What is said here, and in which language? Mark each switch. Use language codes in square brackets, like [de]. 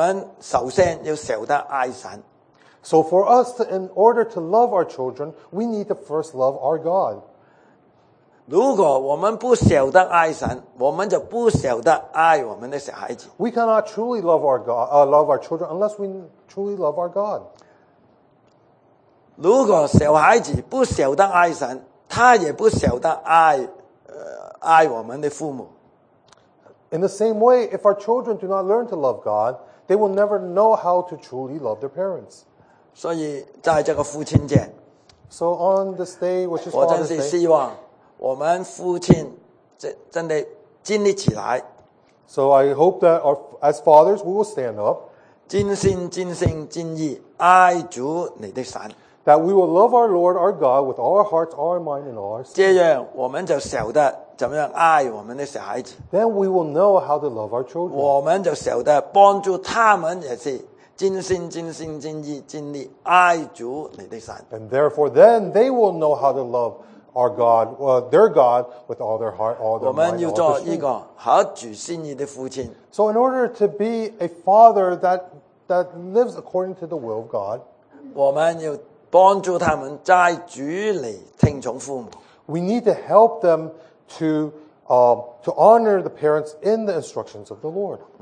[zh] 要晓得爱我们的小孩子，我们首先要晓得爱神。 [en] So for us, in order to love our children, we need to first love our God. [zh] 如果我们不晓得爱神，我们就不晓得爱我们的小孩子。 [en] We cannot truly love our God, love our children unless we truly love our God. [zh] 如果小孩子不晓得爱神，他也不晓得爱我们的父母。 [en] In the same way, if our children do not learn to love God, they will never know how to truly love their parents. [zh] 所以在这个父亲节， [en] So on this day, which is Father's Day, [zh] 我真是希望。我们父亲真的尽力起来。 [en] So I hope that our, as fathers, we will stand up. [zh] 尽心尽性尽意爱主你的神。 [en] That we will love our Lord, our God, with all our hearts, all our mind, and all our soul. [zh] 这样我们就晓得怎么样爱我们的小孩子。 [en] Then we will know how to love our children. [zh] 我们就晓得帮助他们也是。尽心尽性尽意尽力爱主你的神。 [en] And therefore, then they will know how to love our God, well, their God, with all their heart, all their mind, all their strength. So in order to be a father that lives according to the will of God, we need to help them to honor the parents in the instructions of the Lord.